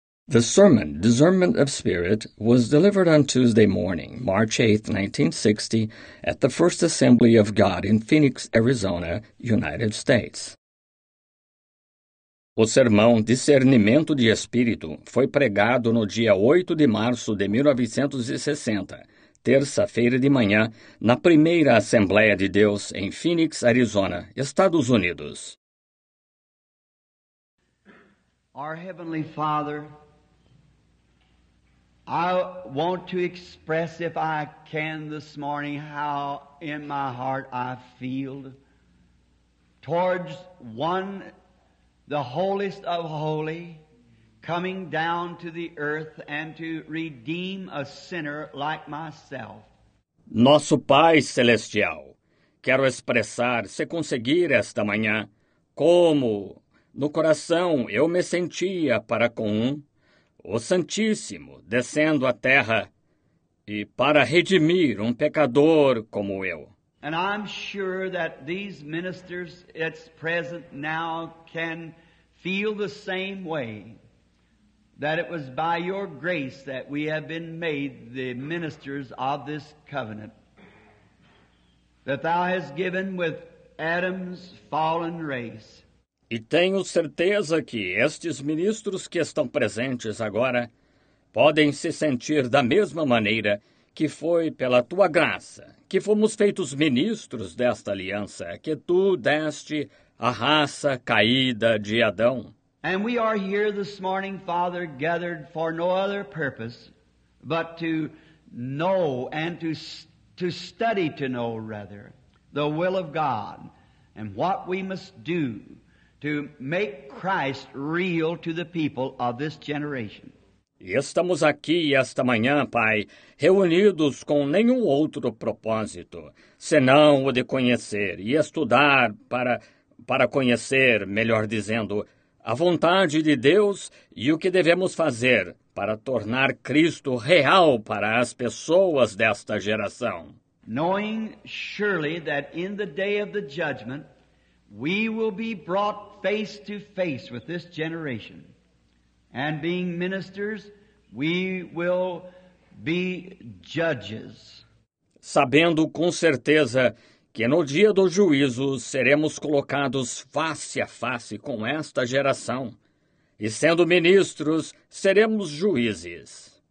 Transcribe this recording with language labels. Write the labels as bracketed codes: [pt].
[en] The sermon, Discernment of Spirit, was delivered on Tuesday morning, March 8, 1960, at the First Assembly of God in Phoenix, Arizona, United States. [pt] O sermão Discernimento de Espírito foi pregado no dia 8 de março de 1960, terça-feira de manhã, na Primeira Assembleia de Deus em Phoenix, Arizona, Estados Unidos. [en] Our Heavenly Father, I want to express, if I can this morning, how in my heart I feel towards one, the holiest of holy, coming down to the earth and to redeem a sinner like myself. [pt] Nosso Pai Celestial, quero expressar, se conseguir esta manhã, como no coração eu me sentia para com o Santíssimo descendo à terra e para redimir pecador como eu. [en] And I'm sure that these ministers that's present now can feel the same way, that it was by your grace that we have been made the ministers of this covenant, that thou hast given with Adam's fallen race. [pt] E tenho certeza que estes ministros que estão presentes agora podem se sentir da mesma maneira que foi pela tua graça, que fomos feitos ministros desta aliança, que tu deste à raça caída de Adão. [en] And we are here this morning, Father, gathered for no other purpose but to know and to study to know, rather, the will of God and what we must do to make Christ real to the people of this generation. [pt] E estamos aqui esta manhã, Pai, reunidos com nenhum outro propósito, senão o de conhecer e estudar para conhecer, melhor dizendo, a vontade de Deus e o que devemos fazer para tornar Cristo real para as pessoas desta geração. [en] Knowing surely that in the day of the judgment, we will be brought face to face with this generation. And being ministers, we will be judges. [pt] Sabendo com certeza que no dia do juízo seremos colocados face a face com esta geração. E sendo ministros, seremos juízes.